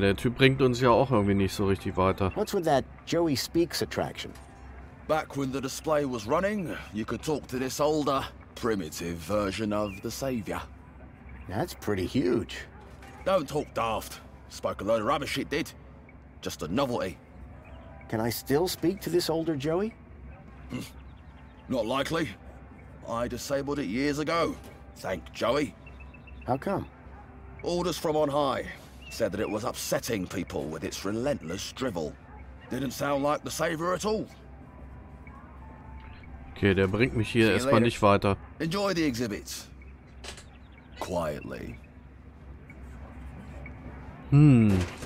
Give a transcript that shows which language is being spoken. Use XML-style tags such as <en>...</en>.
<de>Der Typ bringt uns ja auch irgendwie nicht so richtig weiter.</de> <en>What's with that Joey Speaks attraction? Back when the display was running, you could talk to this older, primitive version of the Savior. That's pretty huge. Don't talk daft. Spoke a load of rubbish, it did. Just a novelty. Can I still speak to this older Joey? Not likely. I disabled it years ago. Thank Joey. How come? Orders from on high. Said that it was upsetting people with its relentless drivel. Didn't sound like the savior at all. OK.</en> <de>Okay, der bringt mich hier erstmal nicht weiter.</de> <en>Enjoy the exhibits. Quietly. Hm.</en>